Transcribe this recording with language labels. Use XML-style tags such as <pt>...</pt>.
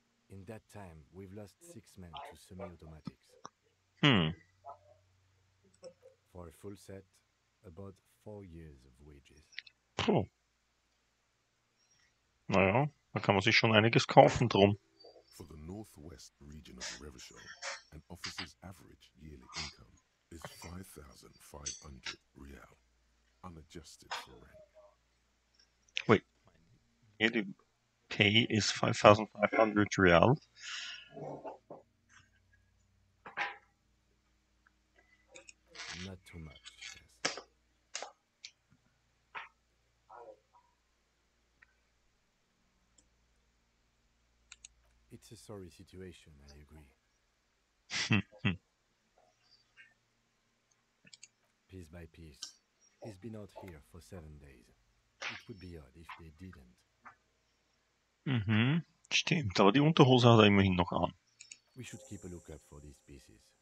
<en>In that time, we've lost 6 men to semi-automatics. Hmm. For a full set, about 4 years of wages. Puh.</en> <de>Naja, da kann man sich schon einiges kaufen drum.</de> <en>For the northwest region of Revachol, an officer's average yearly income is 5,500 real. Unadjusted for rank. Wait, my yearly pay is 5,500 real. Not too much. Yes. It's a sorry situation, I agree. Piece by piece. He's been out here for 7 days. It would be odd if they didn't.</en> <de>Mhm, stimmt, aber die Unterhose hat er immerhin noch an.</de> <en>We should keep a lookout for these pieces.</en>